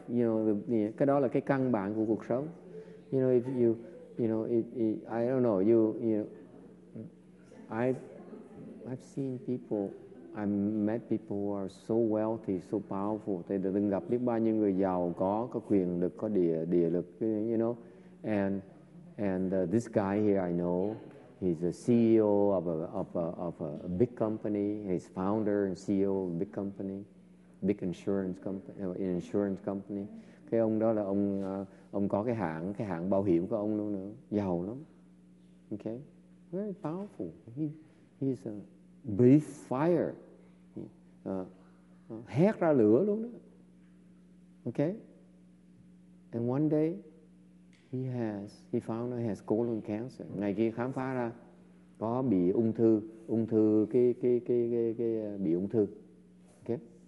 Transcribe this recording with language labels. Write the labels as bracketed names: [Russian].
[English] You know, [Vietnamese] cái đó là cái căn bản của cuộc sống. [English] You know, if you, you know, if I don't know you, you know, I've seen people, I've met people who are so wealthy, so powerful. [Vietnamese] They đã từng gặp biết bao nhiêu người giàu có quyền lực, có địa lực, [English] you know. And this guy here I know, he's a CEO of a big company. He's founder and CEO of a big company, big insurance company, insurance company. [Vietnamese] Cái ông đó là ông có cái hãng bảo hiểm của ông luôn nữa. Giàu lắm. [English] Okay. Very powerful. He's a brief fire. [Vietnamese] Hét ra lửa luôn đó. Okay? [English] And one day, he found out he has colon cancer. [Vietnamese] Ngày kia khám phá ra, có bị ung thư, cái bị ung thư. Okay?